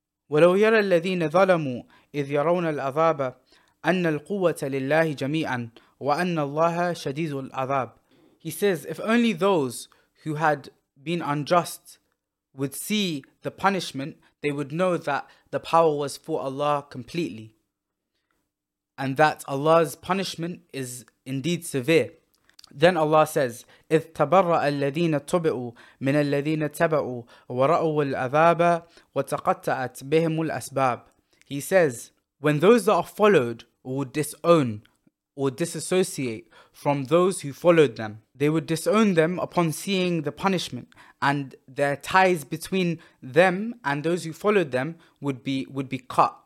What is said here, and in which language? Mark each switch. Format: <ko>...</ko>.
<ar>وَلَوْ يَرَى الَّذِينَ ظَلَمُوا إِذْ يَرَوْنَ الْعَذَابَ أن القوة لله جميعا وأن الله شديد العذاب.</ar> <en>He says, if only those who had been unjust would see the punishment, they would know that the power was for Allah completely, and that Allah's punishment is indeed severe. Then Allah says,</en> <ar>إذ تبرأ الذين تبعوا من الذين تبعوا ورأوا العذاب وتقطعت بهم الأسباب.</ar> <en>He says, when those that are followed would disown or disassociate from those who followed them, they would disown them upon seeing the punishment, and their ties between them and those who followed them would be cut.</en>